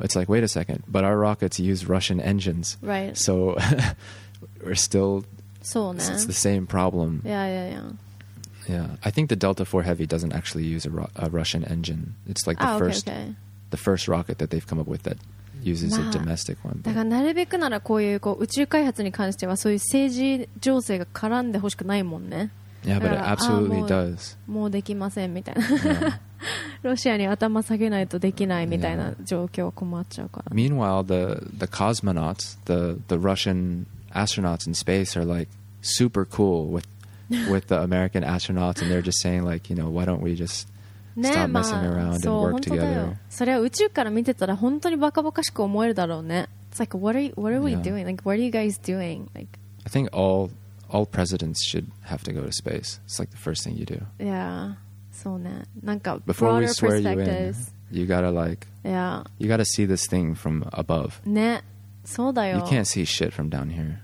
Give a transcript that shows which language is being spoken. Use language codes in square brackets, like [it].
[en] It's like, wait a second, but our rockets use Russian engines. Right. So we're still. So, ne. It's the same problem. Yeah. Yeah. I think the Delta IV Heavy doesn't actually use a Russian engine. It's like the first rocket that they've come up with that uses a domestic one. [ja] だからなるべくならこういうこう宇宙開発に関してはそういう政治情勢が絡んでほしくないもんね。 [en] Yeah, but it absolutely does. [ja] もうできませんみたいな。 [en] Yeah. [ja] ロシアに頭下げないとできないみたいな状況は困っちゃうから、 [en] Meanwhile, the cosmonauts, the Russian astronauts in space are like super cool with the American astronauts, and they're just saying like, you know, why don't we just stop messing around and work together? [ja] それは宇宙から見てたら本当にバカバカしく思えるだろうね。 [en] It's like, what are we yeah. doing? Like, what are you guys doing? Like, I think all presidents should have to go to space. It's like the first thing you do. Yeah, [ja] そうね。なんか [en] Before we swear you in, you gotta like, yeah. you gotta see this thing from above. [ja] ね、そうだよ。 [en] You can't see shit from down here.